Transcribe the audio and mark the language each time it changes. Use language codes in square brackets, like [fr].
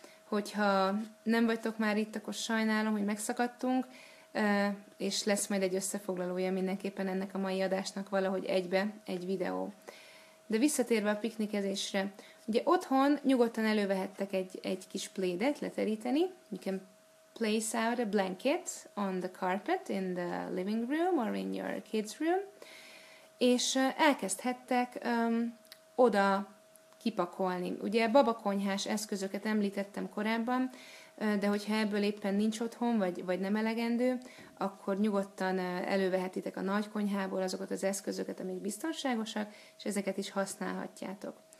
[hu] Hogyha nem vagytok már itt, akkor sajnálom, hogy megszakadtunk, és lesz majd egy összefoglalója mindenképpen ennek a mai adásnak valahogy egybe, egy videó. De visszatérve a piknikezésre, ugye otthon nyugodtan elővehettek egy kis plédet leteríteni. [en] You can place out a blanket on the carpet in the living room or in your kids' room. [hu] És elkezdhettek oda kipakolni. Ugye babakonyhás eszközöket említettem korábban, de hogyha ebből éppen nincs otthon, vagy nem elegendő, akkor nyugodtan elővehetitek a nagy konyhából azokat az eszközöket, amik biztonságosak, és ezeket is használhatjátok.